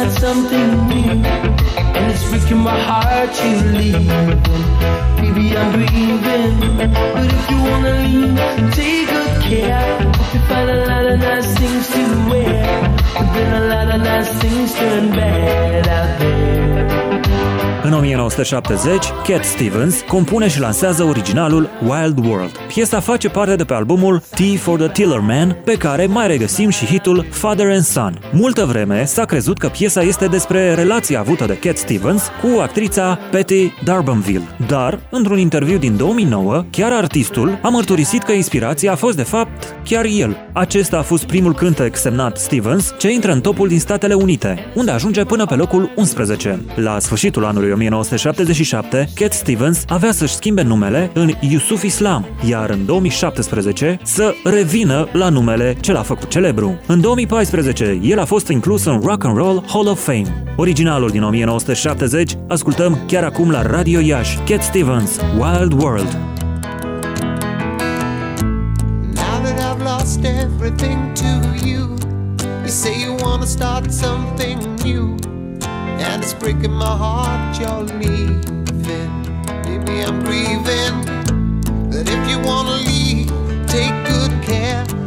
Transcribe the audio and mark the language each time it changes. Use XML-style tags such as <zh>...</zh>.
<en>And it's breaking my heart, she's leaving. Baby, I'm grieving. But if you wanna leave, take good care. Hope you find a lot of nice things to wear. There's been a lot of nice things turn bad out there.</en> <ro>În 1970, Cat Stevens compune și lansează originalul Wild World. Piesa face parte de pe albumul Tea for the Tiller Man, pe care mai regăsim și hitul Father and Son. Multă vreme s-a crezut că piesa este despre relația avută de Cat Stevens cu actrița Patti d'Urbanville. Dar, într-un interviu din 2009, chiar artistul a mărturisit că inspirația a fost, de fapt, chiar el. Acesta a fost primul cântec semnat Stevens, ce intră în topul din Statele Unite, unde ajunge până pe locul 11. La sfârșitul anului 1977, Cat Stevens avea să-și schimbe numele în Yusuf Islam, iar în 2017 să revină la numele ce l-a făcut celebru. În 2014, el a fost inclus în Rock and Roll Hall of Fame. Originalul din 1970, ascultăm chiar acum la Radio Iași, Cat Stevens, Wild World.</ro> <en>Now that I've lost everything to you, you say you wanna start something new. And it's breaking my heart, you're leaving. Baby, I'm grieving. But if you wanna leave, take good care.</en>